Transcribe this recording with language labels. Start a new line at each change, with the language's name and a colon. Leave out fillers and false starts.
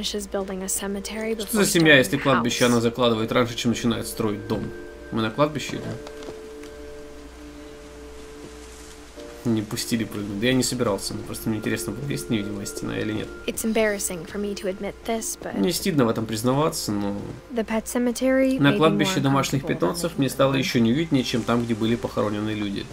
Russian: Что за семья, если кладбище она закладывает раньше, чем начинает строить дом? Мы на кладбище или? Не пустили прыгнуть. Да я не собирался. Просто мне интересно, есть невидимая стена или нет.
English: It's embarrassing for me to admit this, but...
Russian: Мне стыдно в этом признаваться, но...
English: The pet cemetery,
Russian: на кладбище домашних питомцев мне стало еще неуютнее, чем там, где были похоронены люди.